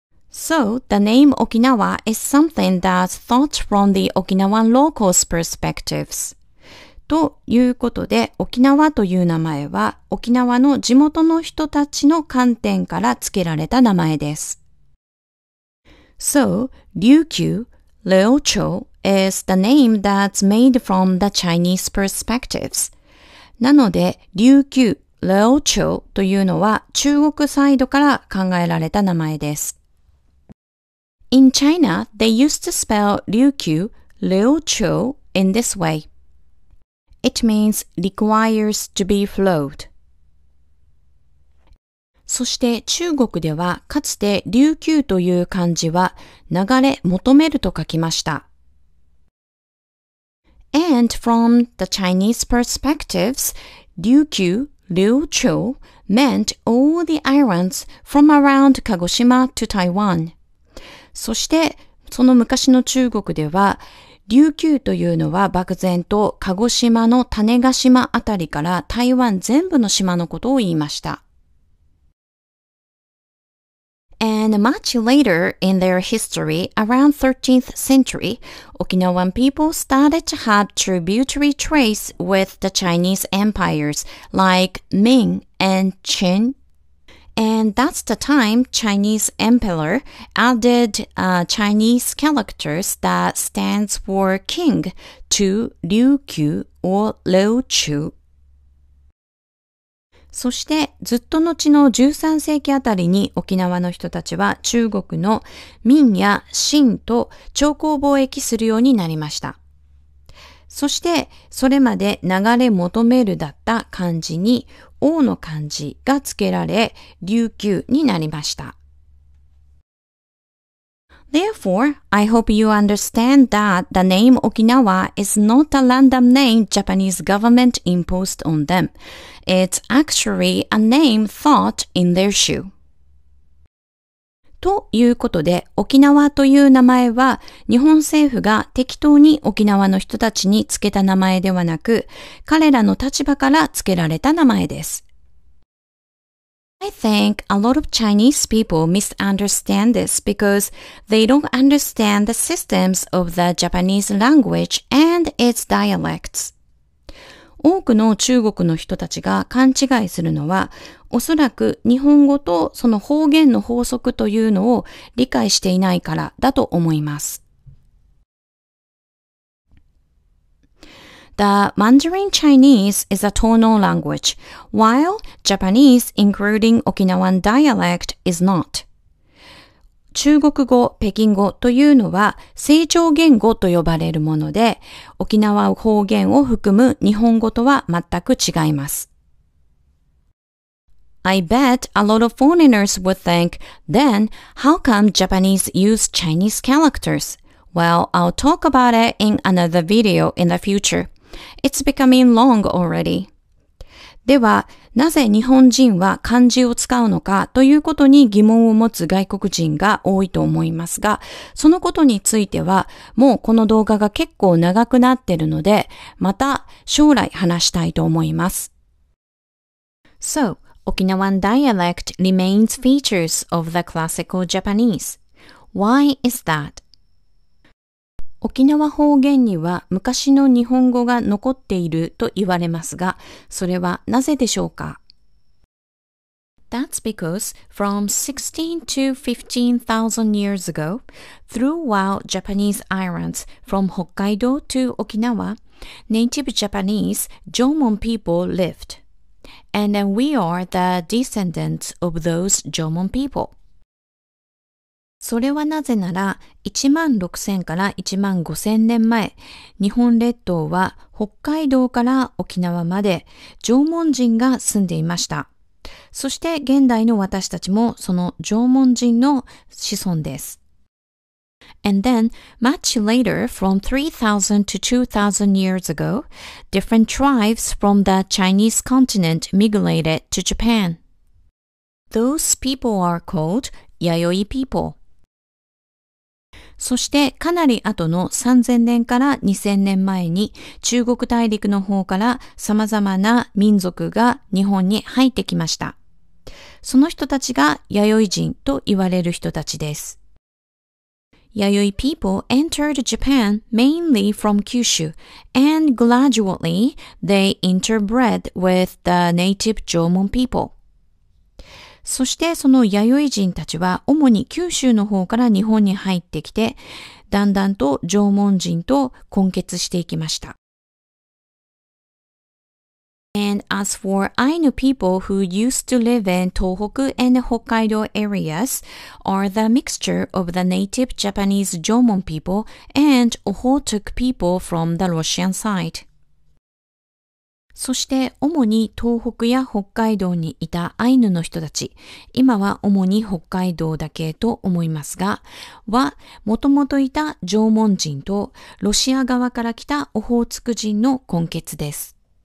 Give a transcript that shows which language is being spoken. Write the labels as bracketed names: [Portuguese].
[English] So, the name Okinawa is something that's thought from the Okinawan locals' perspectives. [Japanese] ということで、沖縄という名前は沖縄の地元の人たちの観点から付けられた名前です。 [English] So, 琉球、Liu Chou is the name that's made from the Chinese perspectives. [Japanese] なので、琉球、Liu Chou というのは中国サイドから考えられた名前です。 [English] In China, they used to spell 琉球、Liu Chou in this way. It means requires to be flowed. [Japanese] そして中国ではかつて琉球という漢字は流れ求めると書きました。 [English] And from the Chinese perspectives, 琉球、琉球 meant all the islands from around 鹿児島 to Taiwan. [Japanese] そしてその昔の中国では琉球というのは漠然と鹿児島の種子島あたりから台湾全部の島のことを言いました。 [English] And much later in their history, around 13th century, Okinawan people started to have tributary trades with the Chinese empires like Ming and Qin. And that's the time Chinese emperor added Chinese characters that stands for king to Ryukyu or Leuchu. [Japanese] そしてずっと後の13世紀あたりに沖縄の人たちは中国の明や清と朝貢貿易するようになりました。そしてそれまで流れ求めるだった漢字に王の漢字が付けられ琉球になりました。 [English] Therefore, I hope you understand that the name Okinawa is not a random name Japanese government imposed on them. It's actually a name thought in their shoe. [Japanese] ということで、沖縄という名前は日本政府が適当に沖縄の人たちに付けた名前ではなく、彼らの立場から付けられた名前です。 [English] I think a lot of Chinese people misunderstand this because they don't understand the systems of the Japanese language and its dialects. [Japanese] 多くの中国の人たちが勘違いするのは、おそらく日本語とその方言の法則というのを理解していないからだと思います。 [English] The Mandarin Chinese is a tonal language, while Japanese, including Okinawan dialect, is not. [Japanese] 中国語、北京語というのは声調言語と呼ばれるもので、沖縄方言を含む日本語とは全く違います。 [English] I bet a lot of foreigners would think, then, how come Japanese use Chinese characters? Well, I'll talk about it in another video in the future. It's becoming long already. [Japanese] では、なぜ日本人は漢字を使うのかということに疑問を持つ外国人が多いと思いますが、そのことについては、もうこの動画が結構長くなってるので、また将来話したいと思います。 [English] So, Okinawan dialect remains features of the classical Japanese. Why is that? [Japanese] 沖縄方言には昔の日本語が残っていると言われますが、それはなぜでしょうか? [English] That's because from 16,000 to 15,000 years ago, throughout Japanese islands from Hokkaido to Okinawa, native Japanese Jomon people lived. And we are the descendants of those Jomon people. [Japanese] それはなぜなら、16,000 から 15,000年前、日本列島は北海道から沖縄まで縄文人が住んでいました。そして現代の私たちもその縄文人の子孫です。 [English] And then, much later, from 3,000 to 2,000 years ago, different tribes from the Chinese continent migrated to Japan. Those people are called Yayoi people. [Japanese] そしてかなり後の3000年から2000年前に中国大陸の方から様々な民族が日本に入ってきました。その人たちが弥生人と言われる人たちです。 [English] 弥生 people entered Japan mainly from Kyushu and gradually they interbred with the native 縄文 people. [Japanese] そしてその弥生人たちは主に九州の方から日本に入ってきて、だんだんと縄文人と混血していきました。 [English] And as for Ainu people who used to live in 東北 and Hokkaido areas are the mixture of the native Japanese 縄文 people and Ohotuk people from the Russian side. [Japanese] そして主に東北や北海道にいたアイヌの人たち、今は主に北海道だけと思いますが、はもともといた縄文人とロシア側から来たオホーツク人の混血です。